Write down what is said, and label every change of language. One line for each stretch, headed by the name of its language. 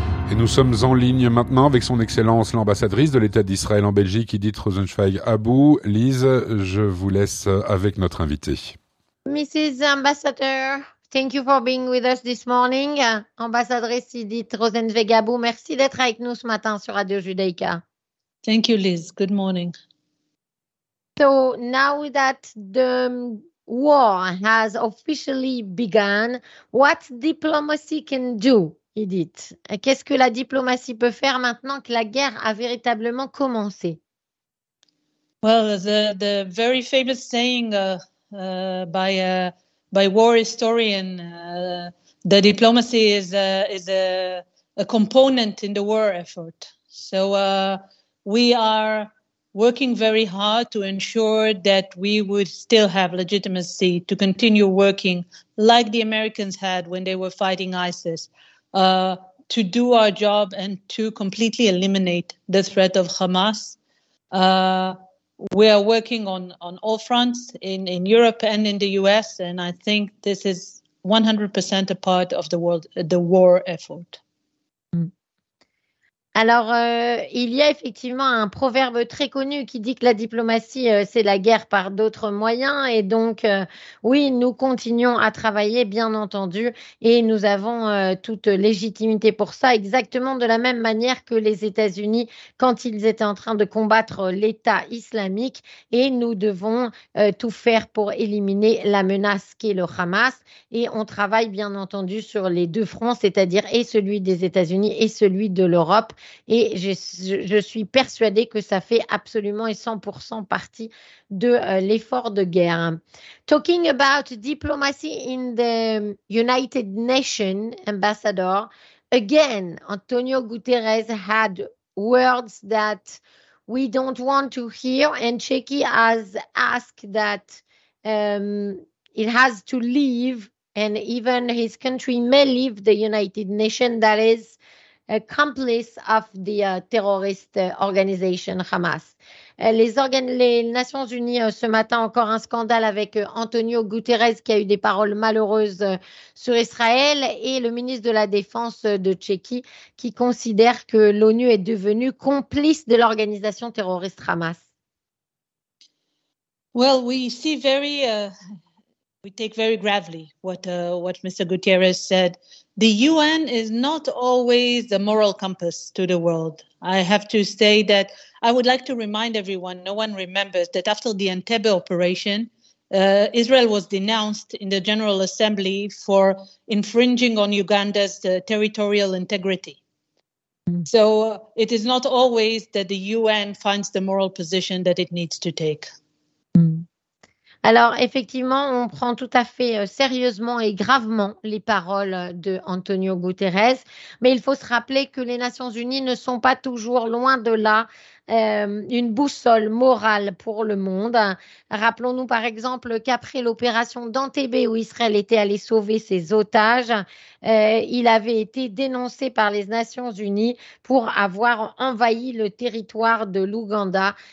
French: Et nous sommes en ligne maintenant avec Son Excellence l'ambassadrice de l'État d'Israël en Belgique, Edith Rosenzweig-Abou. Lise, je vous laisse avec notre invité.
English: Mrs. Ambassador, thank you for being with us this morning.
French: Ambassadrice Edith Rosenzweig-Abou, merci d'être avec nous ce matin sur Radio Judaïka.
English: Thank you, Liz. Good morning. So now that the war has officially begun, what diplomacy can do, Edith?
French: Qu'est-ce que la diplomatie peut faire maintenant que la guerre a véritablement commencé?
English: Well, the very famous saying by war historian, the diplomacy is a component in the war effort. So we are working very hard to ensure that we would still have legitimacy to continue working like the Americans had when they were fighting ISIS, to do our job and to completely eliminate the threat of Hamas. We are working on all fronts in Europe and in the US, and I think this is 100% a part of the war effort.
French: Alors, il y a effectivement un proverbe très connu qui dit que la diplomatie, c'est la guerre par d'autres moyens. Et donc, oui, nous continuons à travailler, bien entendu, et nous avons toute légitimité pour ça, exactement de la même manière que les États-Unis quand ils étaient en train de combattre l'État islamique. Et nous devons tout faire pour éliminer la menace qu'est le Hamas. Et on travaille, bien entendu, sur les deux fronts, c'est-à-dire et celui des États-Unis et celui de l'Europe. Et je suis persuadée que ça fait absolument et 100% partie de l'effort de guerre.
English: Talking about diplomacy in the United Nations, Ambassador, again, Antonio Guterres had words that we don't want to hear, and Tchéquie has asked that it has to leave, and even his country may leave the United Nations, that is, accomplice of the terrorist organization Hamas.
French: Les Nations Unies ce matin, encore un scandale avec Antonio Guterres qui a eu des paroles malheureuses sur Israël et le ministre de la Défense de Tchéquie qui considère que l'ONU est devenue complice de l'organisation terroriste Hamas.
English: Well, we see very We take very gravely what Mr. Gutierrez said. The UN is not always the moral compass to the world. I have to say that I would like to remind everyone, no one remembers, that after the Entebbe operation, Israel was denounced in the General Assembly for infringing on Uganda's territorial integrity. So it is not always that the UN finds the moral position that it needs to take.
French: Alors, effectivement, on prend tout à fait sérieusement et gravement les paroles de Antonio Guterres, mais il faut se rappeler que les Nations Unies ne sont pas toujours loin de là une boussole morale pour le monde. Rappelons-nous par exemple qu'après l'opération d'Entebbe où Israël était allé sauver ses otages, il avait été dénoncé par les Nations Unies pour avoir envahi le territoire de l'Ouganda.